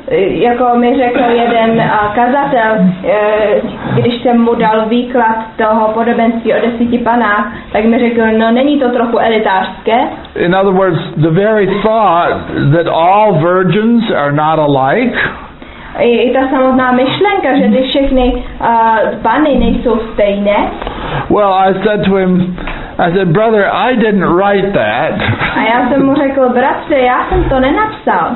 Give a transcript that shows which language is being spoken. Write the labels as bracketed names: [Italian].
[Czech] Jako mi řekl jeden kazatel, když jsem mu dal výklad toho podobenství o deseti panách, tak mi řekl, no není to trochu elitářské? [English] In other words, the very thought that all virgins are not alike. [Czech] I ta samotná myšlenka, že ty všechny panny nejsou stejné. [English] Well, I said to him, I said, brother, I didn't write that. [Czech] A já jsem mu řekl, bratře, já jsem to nenapsal.